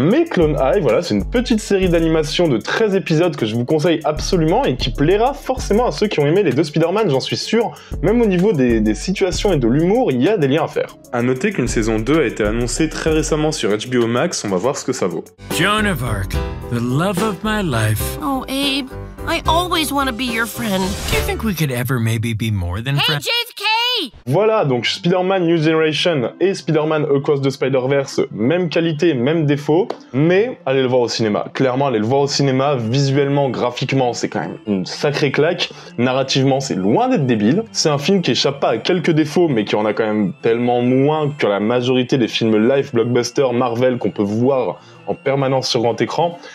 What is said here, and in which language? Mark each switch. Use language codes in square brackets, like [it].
[fr] Mais Clone High, voilà, c'est une petite série d'animation de 13 épisodes que je vous conseille absolument et qui plaira forcément à ceux qui ont aimé les deux Spider-Man, j'en suis sûr, même au niveau des situations et de l'humour, il y a des liens à faire. A noter qu'une saison 2 a été annoncée très récemment sur HBO Max, on va voir ce que ça vaut. [en] Joan of Arc, the love of my life. Oh Abe, I always want to be your friend. Do you think we could ever maybe be more than friends? Hey JFK! [fr] Voilà, donc Spider-Man New Generation et Spider-Man Across the Spider-Verse, même qualité, même défaut, mais allez le voir au cinéma. Clairement, allez le voir au cinéma, visuellement, graphiquement, c'est quand même une sacrée claque. Narrativement, c'est loin d'être débile. C'est un film qui échappe pas à quelques défauts, mais qui en a quand même tellement moins que la majorité des films live, blockbuster, Marvel qu'on peut voir en permanence sur grand écran.